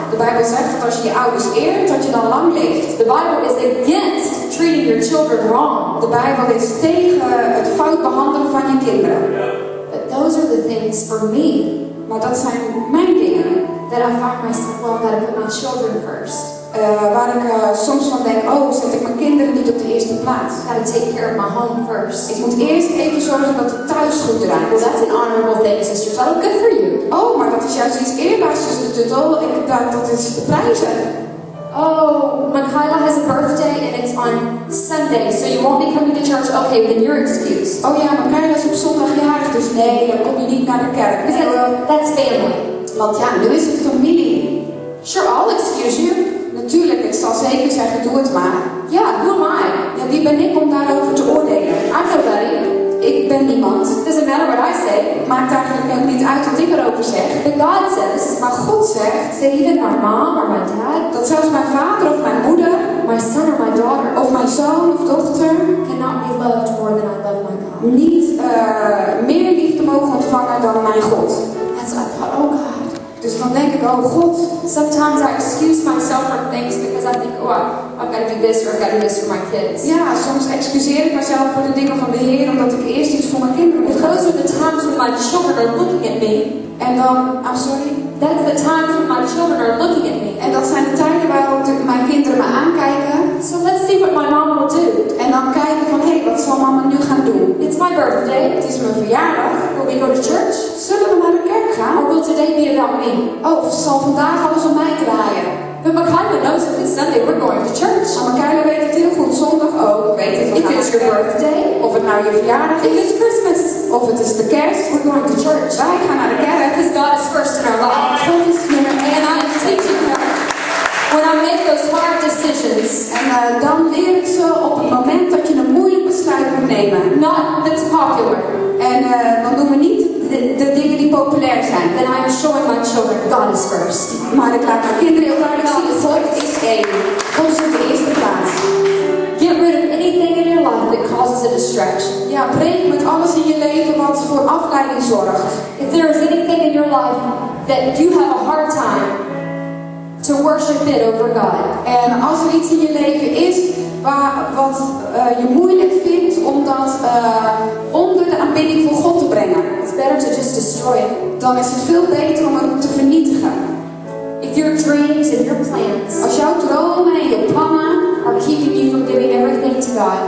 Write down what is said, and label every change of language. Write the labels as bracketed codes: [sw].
[nl] De Bijbel zegt dat als je je ouders eert, dat je dan lang leeft. [en] The Bible is against treating your children wrong. [nl] De Bijbel is tegen het fout behandelen van je kinderen. [en] But those are the things for me. [nl] Maar dat zijn mijn dingen. [en] That I find myself wrong that I put my children first. [nl] Waar ik soms van denk, oh, zet ik mijn kinderen niet op de eerste plaats. [en] Gotta take care of my home first. [nl] Ik moet eerst even zorgen dat het thuis goed draait. [en] Well, that's an honorable thing, sister. Well, good for you. [nl] Oh, maar dat is juist iets eerbaars, zuster Tuttle. Ik dacht dat is de prijzen. [en] Oh, Michaela has a birthday and it's on Sunday, so you won't be coming to church. Okay, then your excuse. [nl] Oh ja, Michaela is op zondag jarig, dus nee, dan kom je niet naar de kerk. [en] Because that's family. [nl] Want ja, nu is het familie. [en] Sure, I'll excuse you. [nl] Natuurlijk, ik zal zeker zeggen, doe het maar. [en] Ja, who am I? [nl] Ja, wie ben ik om daarover te oordelen? [en] I'm nobody. [nl] Ik ben niemand. [en] It doesn't matter what I say. [nl] Maakt eigenlijk ook niet uit wat ik erover zeg. [en] But God says. [nl] Maar God zegt. [en] That even my mom or my dad. [nl] Dat zelfs mijn vader of mijn moeder. [en] My son or my daughter. [nl] Of mijn zoon of dochter. [en] Cannot be loved more than I love my God. [nl] Niet meer liefde mogen ontvangen dan mijn God. [en] That's what I thought, oh God. [nl] Dus dan denk ik, oh God. [en] Sometimes I excuse myself for things because I think, oh, I've got to do this or I've got to do this for my kids. [nl] Ja, soms excuseer ik mezelf voor de dingen van de Heer omdat ik eerst iets voor mijn kinderen moet doen. [en] Those are the times when my children are looking at me. [nl] En dan, [en] I'm sorry. That's the times when my children are looking at me. [nl] En dat zijn de tijden waarop mijn kinderen me aankijken. [en] So let's see what my mom will do. [nl] En dan kijken van, hey, wat zal mama nu gaan doen? [en] It's my birthday. [nl] Het is mijn verjaardag. [en] Will we go to church? [nl] Zullen we naar de kerk gaan? [en] Or will today be about me? [nl] Oh, zal vandaag alles om mij draaien? [en] But Michaela knows if it's Sunday, we're going to church. [nl] Maar Michaela weet het heel goed, zondag ook. Weet het, [en] if it's your birthday. [nl] Of het nou je verjaardag is. [en] If it's Christmas. [nl] Of het is de kerst. [en] We're going to church. [nl] Wij gaan naar de kerk. [en] Because God is first in our lives. God is here. And I am teaching her. When I make those hard decisions. [nl] En dan leer ik ze op het moment dat je een moeilijk besluit moet nemen. [en] Not that's popular. [nl] En dan doen we niet de dingen die populair zijn. [en] Then I am showing my children God is first. [nl] Maar ik laat mijn kinderen heel duidelijk zien. God is één. God is de eerste plaats. [en] Get rid of anything in your life that causes a distraction. [nl] Ja, breek met alles in je leven wat voor afleiding zorgt. [en] If there is anything in your life that you have a hard time to worship it over God. [nl] En als er iets in je leven is wat je moeilijk vindt om dat onder de aanbidding van God te brengen. [en] It's better to just destroy it. [nl] Dan is het veel beter om het te vernietigen. [en] If your dreams and your plans. [nl] Als jouw dromen en je plannen. [en] Are keeping you from giving everything to God.